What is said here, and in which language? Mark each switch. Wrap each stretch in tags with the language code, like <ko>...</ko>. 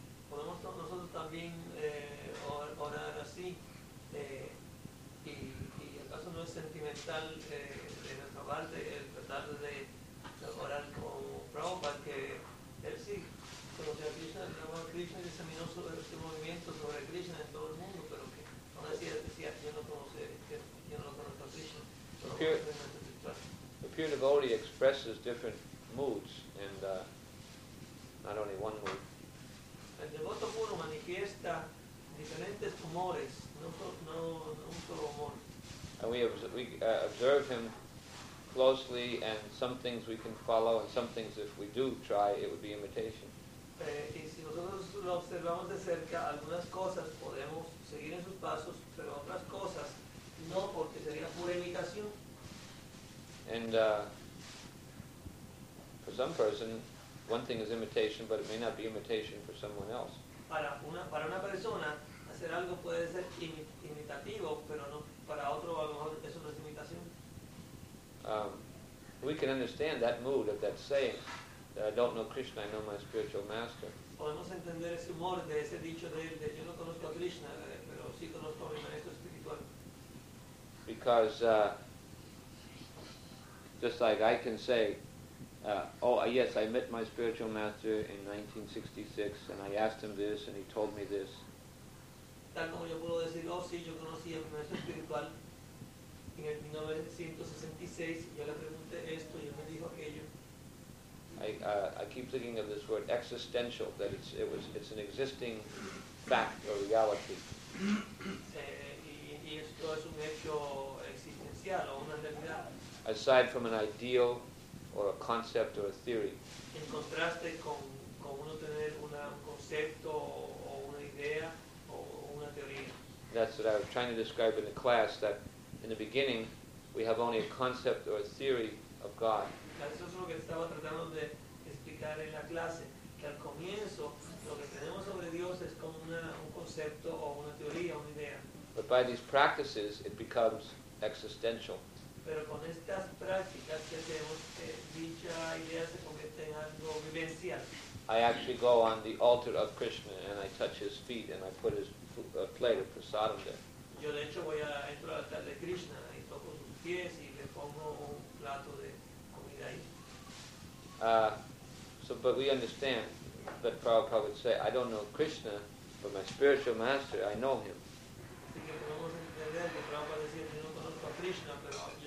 <es>Podemos nosotros también orar así, y acaso no es sentimental de nuestra parte el tratar de orar como Prabhupada, que él sí conoció a Krishna, trabajó a Krishna y examinó sobre este movimiento sobre Krishna en todo el mundo, pero que aún así decía, yo no conozco a Krishna.</es> <en>The pure devotee expresses different moods, and not only one mood.</en> <es>El devoto puro manifiesta diferentes humores, no un solo humor.</es> <en>And we observe him closely, and some things we can follow, and some things if we do try, it would be imitation.</en> <es>Y si nosotros lo observamos de cerca, algunas cosas podemos seguir en sus pasos, pero otras cosas no, porque sería pura imitación.</es> <en>And for some person, one thing is imitation, but it may not be imitation for someone else.</en> <es>Para una persona, hacer algo puede ser imitativo, pero no para otro, a lo mejor eso no es imitación.</es> <en>We can understand that mood of that saying, that I don't know Krishna, I know my spiritual master.</en> <es>Podemos entender ese humor de ese dicho de él, de yo no conozco a Krishna, pero sí conozco a mi maestro espiritual.</es> <en>Because just like I can say, yes, I met my spiritual master in 1966, and I asked him this, and he told me this.</en> <es>Tal como yo puedo decir, oh sí, yo conocí a mi maestro espiritual en el 1966, y yo le pregunté esto, y él me dijo aquello.</es> <en>I keep thinking of this word existential, that it's an existing fact or reality.</en> <es>Y esto es un hecho existencial o una realidad.</es> <en>Aside from an ideal or a concept or a theory.</en> <es>En contraste con uno tener un concepto o una idea o una teoría.</es> <en>That's what I was trying to describe in the class, that in the beginning we have only a concept or a theory of God.</en> <es>Eso es lo que estaba tratando de explicar en la clase, que al comienzo lo que tenemos sobre Dios es como un concepto o una teoría, una idea.</es> <en>But by these practices it becomes existential.</en> <es>Pero con estas prácticas que hacemos, dicha idea se convierte en algo vivencial.</es> <en>I actually go on the altar of Krishna and I touch his feet and I put his plate of prasadam there.</en> <es>Yo de hecho voy a entrar al altar de Krishna y toco sus pies y le pongo un plato de comida ahí.</es> <en>But we understand that Prabhupada would say, I don't know Krishna, but my spiritual master, I know him.</en> <es>Así que podemos entender que Prabhupada decía, yo no conozco a Krishna, pero</es>